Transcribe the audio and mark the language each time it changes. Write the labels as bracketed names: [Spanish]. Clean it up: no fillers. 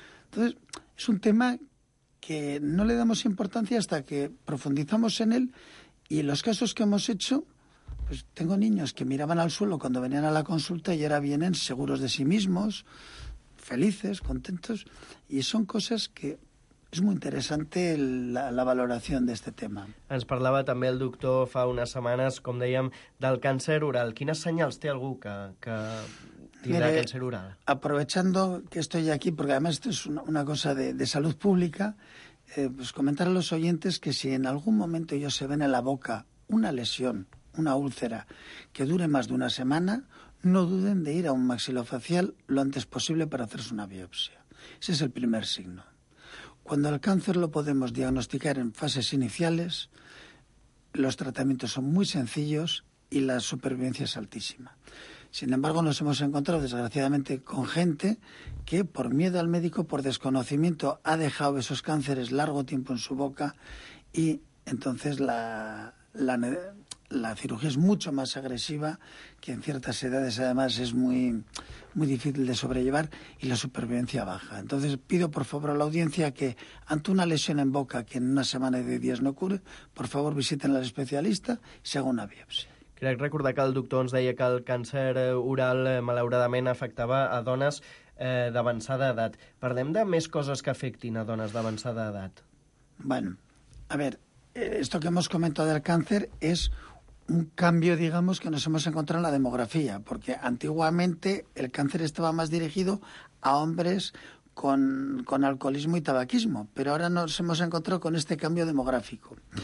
[Spanish] Entonces, es un tema que no le damos importancia hasta que profundizamos en él, y en los casos que hemos hecho... Pues tengo niños que miraban al suelo cuando venían a la consulta y ahora vienen seguros de sí mismos, felices, contentos, y son cosas que es muy interesante la valoración de este tema. [Catalan] Ens parlava també el doctor fa unes setmanes, com dèiem, del càncer oral. Quines senyals té algú que tindrà càncer oral? [Spanish] Aprovechando que estoy aquí, porque además esto es una cosa de salud pública, pues comentar a los oyentes que si en algún momento ellos se ven en la boca una lesión, una úlcera que dure más de una semana, no duden de ir a un maxilofacial lo antes posible para hacerse una biopsia. Ese es el primer signo. Cuando el cáncer lo podemos diagnosticar en fases iniciales, los tratamientos son muy sencillos y la supervivencia es altísima. Sin embargo, nos hemos encontrado, desgraciadamente, con gente que, por miedo al médico, por desconocimiento, ha dejado esos cánceres largo tiempo en su boca y, entonces, la cirugía es mucho más agresiva, que en ciertas edades además es muy, muy difícil de sobrellevar, y la supervivencia baja. Entonces pido por favor a la audiencia que ante una lesión en boca que en una semana de días no cure, por favor visiten al especialista y se haga una biopsia. [Catalan] Crec recordar que el doctor ens deia que el càncer oral malauradament afectava a dones d'avançada edat. Parlem de més coses que afectin a dones d'avançada edat. [Spanish] Bueno, a ver, esto que hemos comentado del cáncer es... un cambio, digamos, que nos hemos encontrado en la demografía, porque antiguamente el cáncer estaba más dirigido a hombres con alcoholismo y tabaquismo, pero ahora nos hemos encontrado con este cambio demográfico.